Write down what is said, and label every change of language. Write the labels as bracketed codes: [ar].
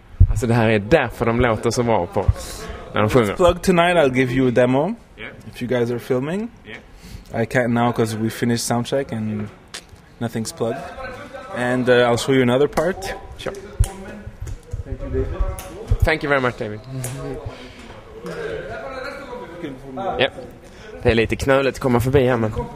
[sv] Alltså det här är därför de låter så bra på när de sjunger. [en] Plug tonight, I'll give you a demo. If you guys are filming, yeah. I can't now because we finished soundcheck and nothing's plugged. And I'll show you another part. Sure. Thank you, David. Thank you very much, David. Yep. [sv] Det är lite knöligt att komma förbi här, men...